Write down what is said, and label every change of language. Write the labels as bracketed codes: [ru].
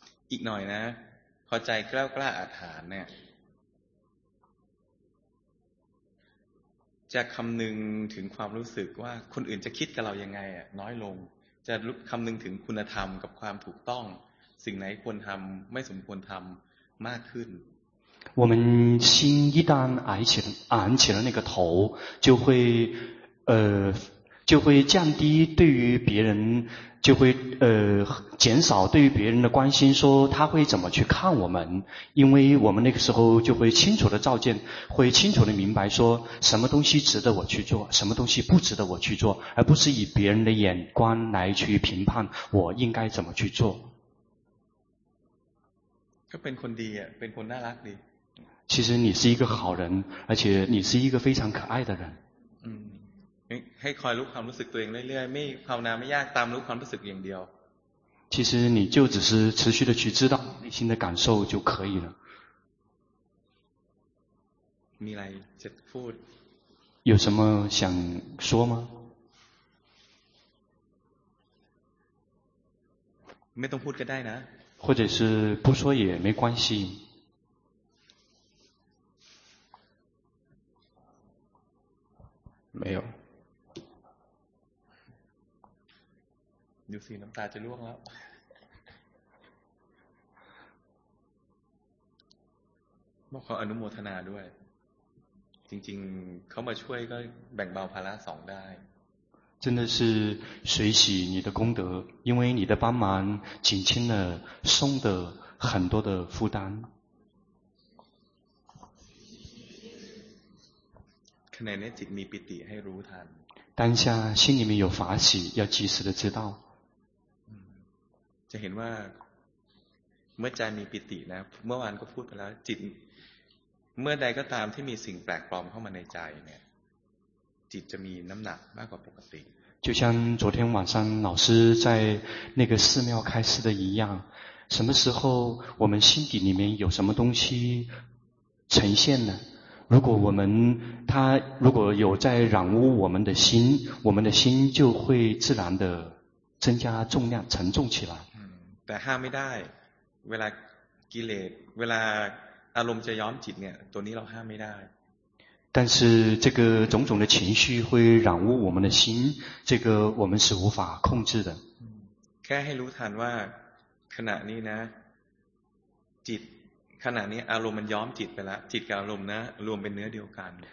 [th] อีกหน่อยนะพอใจกล้าๆอาถานเนี่ยจะคำนึงถึงความรู้สึกว่าคนอื่นจะคิดกับเรายังไงอ่ะน้อยลงจะคำนึงถึงคุณธรรมกับความถูกต้องสิ่งไหนควรทำไม่สมควรทำมากขึ้น [zh] 我们心一旦昂起了那个头就会降低对于别人就会减少对于别人的关心说他会怎么去看我们因为我们那个时候就会清楚的照见会清楚的明白说什么东西值得我去做什么东西不值得我去做而不是以别人的眼光来去评判我应该怎么去做 [th] ก็เป็นคนดีอ่ะเป็นคนน่ารักดี [zh] 其实你是一个好人而且你是一个非常可爱的人 [th] ให้คอยรู้ความรู้สึกตัวเองเรื่อยๆไม่ภาวนาไม่ยากตามรู้ความรู้สึกอย่างเดียว [zh] 其实你就只是持续的去知道内心的感受就可以了 [th] มีอะไรจะพูด [zh] 有什么想说吗 [th] ไม่ต้องพูดก็ได้นะ [zh] 或者是不说也没关系。没有。 [th] ดูสิน้ำตาจะร่วงแล้วบอกเขาอนุโมทนาด้วยจริงๆเขามาช่วยก็แบ่งเบาภาระสองได้ [zh] 真的是随喜你的功德因为你的帮忙减轻了松的很多的负担 [th] ขณะนี้จิตมีปิติให้รู้ทัน [zh] 当下心里面有法喜要及时的知道 [th] จะเห็นว่าเมื่อใจมีปิตินะเมื่อวานก็พูดไปแล้วจิตเมื่อใดก็ตามที่มีสิ่งแปลกปลอมเข้ามาในใจเนี่ยจิตจะมีน้ำหนักมากกว่าปกติ [zh] 就像昨天晚上老师在那个寺庙开示的一样什么时候我们心底里面有什么东西呈现呢如果我们它如果有在染污我们的心我们的心就会自然的增加重量沉重起来 [th] แต่ห้ามไม่ได้เวลากิเลสเวลาอารมณ์จะย้อมจิตเนี่ยตัวนี้เราห้ามไม่ได้ [zh] 但是这个种种的情绪会染污我们的心这个我们是无法控制的 [th] แค่ให้รู้ทันว่าขณะนี้นะจิตขณะนี้อารมณ์มันย้อมจิตไปแล้วจิตกับอารมณ์นะรวมเป็นเนื้อเดียวกัน